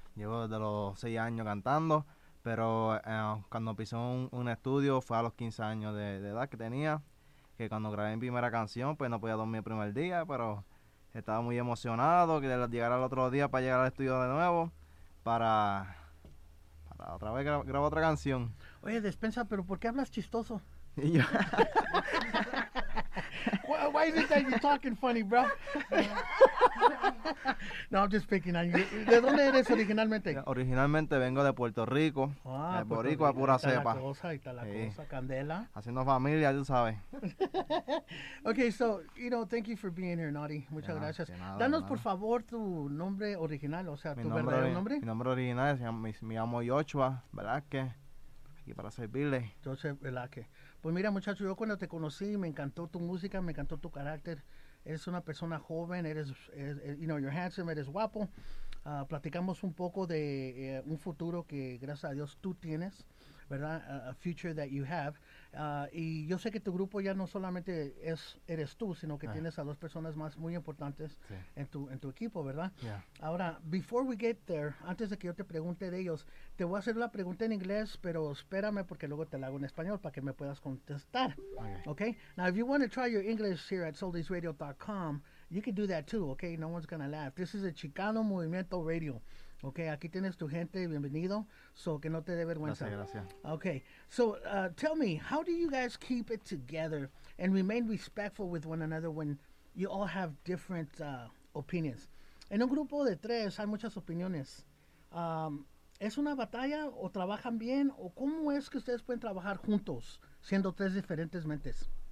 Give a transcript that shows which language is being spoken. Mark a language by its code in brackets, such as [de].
[es] Llevo desde los 6 años cantando, pero cuando pisé un estudio fue a los 15 años de edad que tenía. Que cuando grabé mi primera canción, pues no podía dormir el primer día, pero estaba muy emocionado que llegara el otro día para llegar al estudio de nuevo, para otra vez grabar otra canción. Oye, despensa, ¿pero por qué hablas chistoso? Y yo... [en] Why is it that you're talking funny, bro? No, I'm just picking on you. [es] ¿De dónde eres originalmente? Originalmente vengo de Puerto Rico. Ah, Puerto Rico a pura cepa. Ahí está la cosa, candela. Haciendo familia, tú sabes. [en] Okay, so, thank you for being here, Nori. [es] Muchas gracias. Nada, danos, por favor, tu nombre original, tu verdadero nombre. Mi nombre original, me llamo Joshua Velázquez. Aquí para servirle. Joshua Velázquez. Pues mira, muchacho, yo cuando te conocí, me encantó tu música, me encantó tu carácter. Eres una persona joven, [en] you're handsome, [es] eres guapo. Platicamos un poco de un futuro que, gracias a Dios, tú tienes, ¿verdad? [en] A future that you have. [es] Y yo sé que tu grupo ya no solamente eres tú, sino que tienes a dos personas más muy importantes en tu equipo, ¿verdad? [en] Yeah. [es] Ahora, [en] before we get there, [es] antes de que yo te pregunte de ellos, te voy a hacer la pregunta en inglés, pero espérame porque luego te la hago en español para que me puedas contestar. [en] Okay. Now, if you want to try your English here at soldiesradio.com, you can do that too, okay? No one's going to laugh. This is a Chicano Movimiento Radio. Okay, [es] aquí tienes tu gente, bienvenido. So, que no te dé vergüenza. Gracias. [en] Okay, so tell me, how do you guys keep it together and remain respectful with one another when you all have different opinions? [es] En un grupo de tres hay muchas opiniones. ¿Es una batalla o trabajan bien? ¿O cómo es que ustedes pueden trabajar juntos siendo tres diferentes mentes?